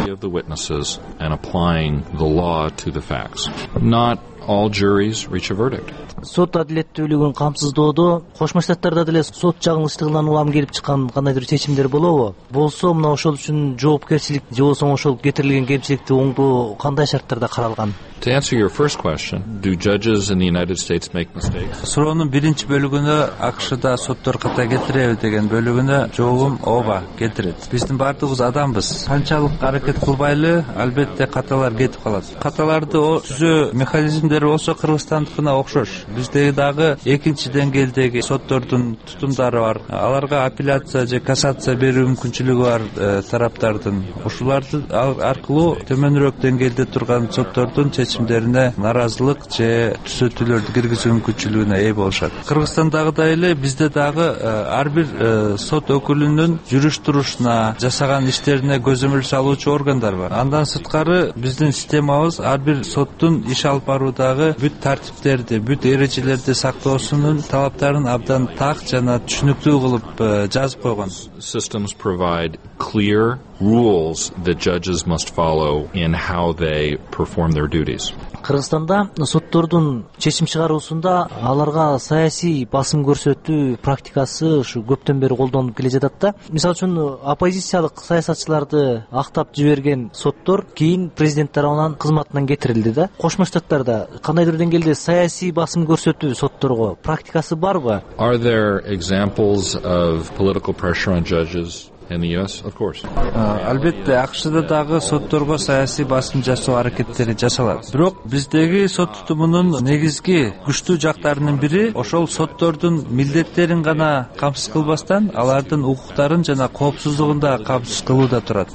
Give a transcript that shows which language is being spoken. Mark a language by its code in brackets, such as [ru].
[ky] келмейинче. [en] All juries reach a verdict. [ky] Сот адилеттүүлүгүн камсыздоодо Кошмо Штаттарда деле сот жаңылыштыгынан улам келип чыккан кандайдыр чечимдер болобу? Болсо, мына ошол үчүн жоопкерчилик же болсо ошол кетирилген кемчиликти оңдоо кандай шарттарда каралган? [en] To answer your first question, do judges in the United States make mistakes? [ky] Суроонун биринчи бөлүгүнө АКШда соттор ката кетиреби деген бөлүгүнө жообум ооба, кетирет. Биздин баардыгыбыз адамбыз. Канчалык аракет кылбайлы, албетте каталар кетип калат. Каталарды түзөө механизмдери болсо Кыргызстандыкына окшош. Бизде дагы экинчи деңгээлдеги соттордун тутумдары бар. Аларга апелляция же кассация берүү мүмкүнчүлүгү бар тараптардын. Ушуларды аркылуу төмөнүрөөк деңгээлде турган соттордун чечимдерине нааразылык же түзөтүүлөрдү киргизүү мүмкүнчүлүгүнө ээ болушат. Кыргызстандагыдай эле бизде дагы ар бир сот өкүлүнүн жүрүш турушуна, жасаган иштерине көзөмөл салуучу органдар бар. Андан сырткары биздин системабыз ар бир соттун иш алып баруудагы бүт тартиптерди, бүт эрежелерди сактоосунун талаптарын абдан так жана түшүнүктүү кылып жазып койгон. [en] Systems provide clear rules that judges must follow in how they perform their duties. [ky] Кыргызстанда соттордун чечим чыгаруусунда аларга саясий басым көрсөтүү практикасы ушу көптөн бери колдонулуп келе жатат да. Мисалы үчүн оппозициялык саясатчыларды актап жиберген соттор кийин президент тарабынан кызматынан кетирилди да. Кошмо Штаттарда кандайдыр деңгээлде саясий басым көрсөтүү сотторго практикасы барбы? [en] Are there examples of political pressure on judges? And yes, of course. [ky] Албетте, АКШда дагы сотторго саясий басым жасоо аракеттери жасалат. Бирок биздеги сот тутумунун негизги күчтүү жактарынын бири ошол соттордун милдеттерин гана камсыз кылбастан, алардын укуктарын жана коопсуздугун да камсыз кылууда турат.